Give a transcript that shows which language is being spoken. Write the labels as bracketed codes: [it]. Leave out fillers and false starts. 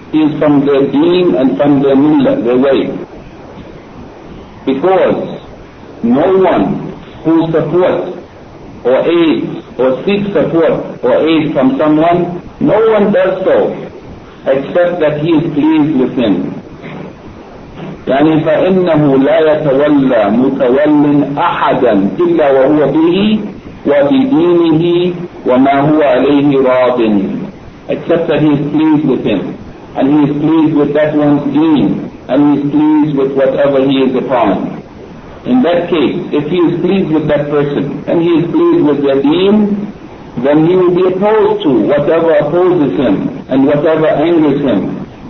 [en] He is from their deen and from their millah, their way. Because no one who supports or aids or seeks support or aid from someone, no one does so except that he is pleased with him. [ar] يعني فإنه لا يتولى متولى أحدا إلا وهو به وفي دينه وما هو عليه راض. [en] Except that he is pleased with him, and he is pleased with that one's deen, and he is pleased with whatever he is upon. In that case, if he is pleased with that person, and he is pleased with their deen, then he will be opposed to whatever opposes him, and whatever angers him.